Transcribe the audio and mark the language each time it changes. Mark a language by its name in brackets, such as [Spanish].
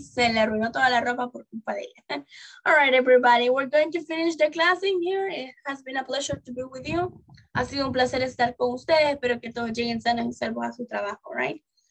[Spanish] Se le arruinó toda la ropa por culpa de ella. [English] All right, everybody. We're going to finish the class in here. It has been a pleasure to be with you. [Spanish] Ha sido un placer estar con ustedes. Espero que todos lleguen sanos y salvos a su trabajo, right?